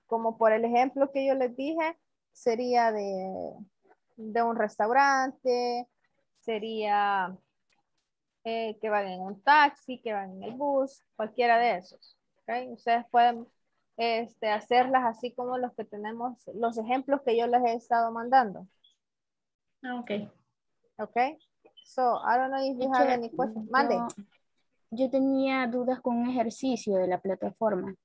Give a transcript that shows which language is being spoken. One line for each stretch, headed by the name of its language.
Spanish: Como por el ejemplo que yo les dije, sería de un restaurante, sería que van en un taxi, que van en el bus, cualquiera de esos. Okay? Ustedes pueden hacerlas así como los que tenemos, los ejemplos que yo les he estado mandando. Ok.
English: Ok, so I don't know if you have any questions.
Spanish: Mande. Yo tenía dudas con un ejercicio de la plataforma.